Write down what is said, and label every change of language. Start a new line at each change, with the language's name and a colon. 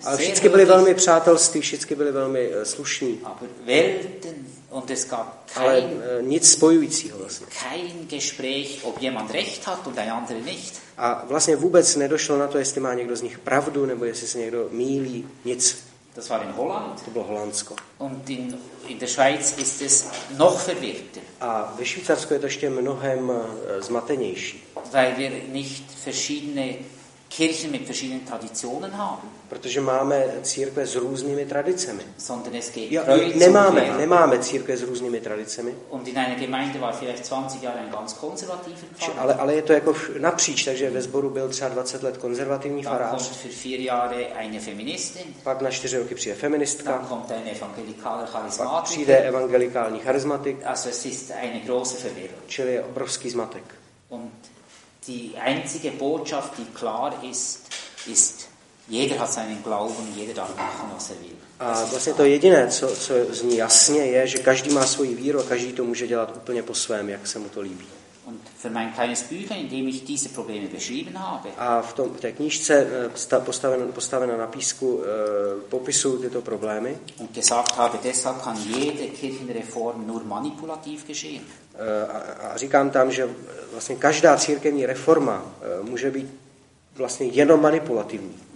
Czech: Ale všichni byli velmi přátelství, všichni byli velmi slušní.
German: Aber Welten und es gab kein,
Czech: ale nic spojujícího vlastně.
German: Kein Gespräch, ob jemand recht hat und ein anderer nicht.
Czech: A vlastně vůbec nedošlo na to, jestli má někdo z nich pravdu, nebo jestli se někdo mýlí, nic.
German: Das war in Holland.
Czech: To bylo Holandsko.
German: Und in der Schweiz ist es noch verwirrter.
Czech: A ve Švýcarsku je to ještě mnohem zmatenější.
German: Weil wir nicht verschiedene Kirchen mit verschiedenen Traditionen haben.
Czech: Protože máme církve s různými tradicemi.
German: Sondern es geht
Czech: nemáme církve s různými tradicemi.
German: Und in einer Gemeinde war vielleicht 20 Jahre ein ganz konservativer Pfarrer.
Czech: Ale je to jako napříč, takže ve sboru byl třeba 20 let konzervativní farář.
German: Dann kommt für 4 Jahre eine Feministin.
Czech: Pak na 4 roky přijde feministka.
German: Dann kommt ein evangelikaler Charismatiker.
Czech: Pak přijde evangelikální charismatik.
German: Also es ist eine große Verwirrung.
Czech: Čili je obrovský zmatek.
German: Und die einzige Botschaft, die klar ist, ist, jeder hat seinen Glauben, jeder darf machen, was er will.
Czech: A vlastně to jediné, co zní jasně, je, že každý má svoji víru a každý to může dělat úplně po svém, jak se mu to líbí.
German: Und für mein kleines Büchlein, in dem ich diese Probleme beschrieben habe.
Czech: A v té knížce postavena na písku popisu tyto problémy.
German: Und gesagt habe, deshalb kann jede Kirchenreform nur manipulativ geschehen.
Czech: A říkám tam, že vlastně každá církevní reforma může být vlastně jenom manipulativní.